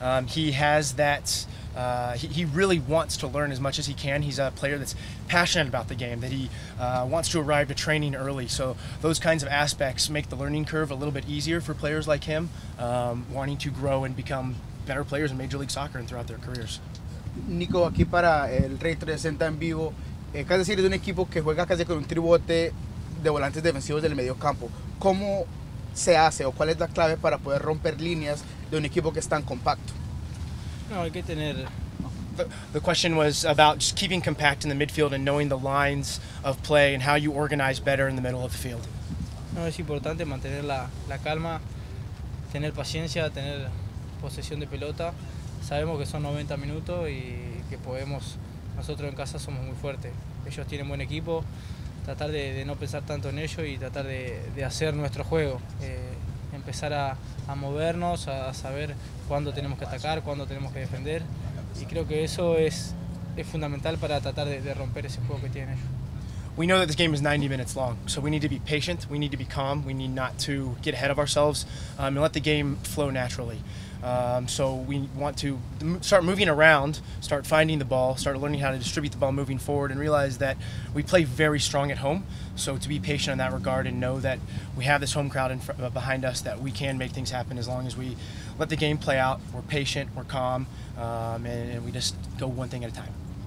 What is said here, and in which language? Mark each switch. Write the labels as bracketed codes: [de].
[en] He has that, he really wants to learn as much as he can. He's a player that's passionate about the game, that he wants to arrive to training early. So those kinds of aspects make the learning curve a little bit easier for players like him, wanting to grow and become better players in Major League Soccer and throughout their careers. [es] Nico, aquí para el Rey 360 en vivo. Casi decir, es de un equipo que juega casi con un tribote de volantes defensivos del medio campo. ¿Cómo se hace o cuál es la clave para poder romper líneas de un equipo que es tan compacto? No, hay que tener... [en] The question was about just keeping compact in the midfield and knowing the lines of play and how you organize better in the middle of the field. [es] No, es importante mantener la calma, tener paciencia, tener posesión de pelota. Sabemos que son 90 minutos y que podemos... Nosotros en casa somos muy fuertes. Ellos tienen buen equipo. Tratar de no pensar tanto en ellos y tratar de hacer nuestro juego. Empezar a movernos, a saber cuándo tenemos que atacar, cuándo tenemos que defender. Y creo que eso es fundamental para tratar de romper ese juego que tienen ellos. [en] We know that this game is 90 minutes long, so we need to be patient, we need to be calm, we need not to get ahead of ourselves, and let the game flow naturally. So we want to start moving around, start finding the ball, start learning how to distribute the ball moving forward, and realize that we play very strong at home, so to be patient in that regard and know that we have this home crowd behind us, that we can make things happen as long as we let the game play out, we're patient, we're calm, and we just go one thing at a time.